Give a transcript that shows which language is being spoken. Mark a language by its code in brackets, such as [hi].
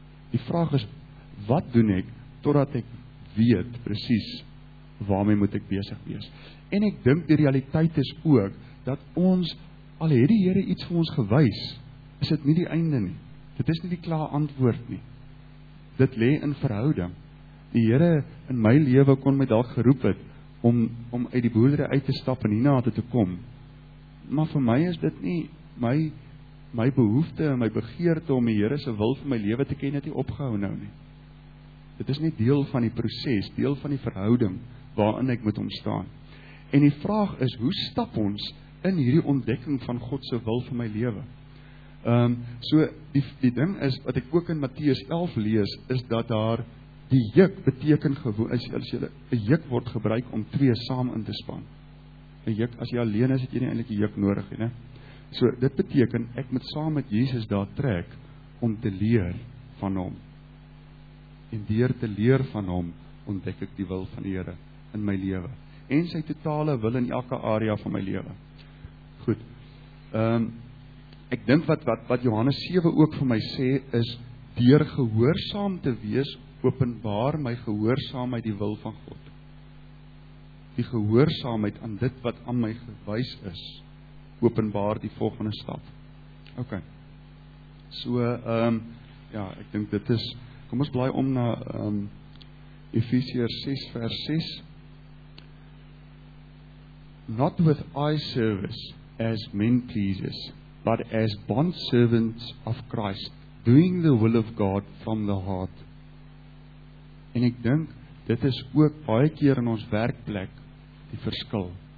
[af] Die vraag is wat doen ek totdat ek weet presies waarmee moet ek besig wees? En ek dink die realiteit is ook dat ons al het die Here iets vir ons gewys, is dit nie die einde nie. Dit is nie die klaar antwoord nie. Dit lê in verhouding. Die Here in my lewe kon my dalk geroep het om uit die boerdery uit te stap en hierna te kom. Maar vir my is dit nie my behoefte en my begeerte om die Here se wil vir my lewe te ken het nie opgehou nou nie. Dit is net deel van die proses, deel van die verhouding waarin ek moet ontstaan. En die vraag is, hoe stap ons in hierdie ontdekking van God se wil vir my lewe? So die ding is wat ek ook in Matteus 11 lees is dat daar die juk beteken gewoon as jy 'n juk word gebruik om twee saam in te span. 'n Juk as jy alleen is, het jy nie eintlik 'n juk nodig nie. So dit beteken ek moet saam met Jesus daar trek om te leer van hom. En deur te leer van hom ontdek ek die wil van die Here in my lewe en sy totale wil in elke area van my lewe. Goed. Ek dink wat Johannes 7 ook vir my sê is deur gehoorsaam te wees openbaar my gehoorsaamheid die wil van God. Die gehoorsaamheid aan dit wat aan my gewys is openbaar die volgende stap. OK. So ek dink dit is, kom ons blaai om na Efesiërs 6 vers 6. [en] Not with eye service as men pleases, but as bond servants of Christ, doing the will of God from the heart. [af] En ek dink, dit is ook baie keer in ons werkplek die verskil.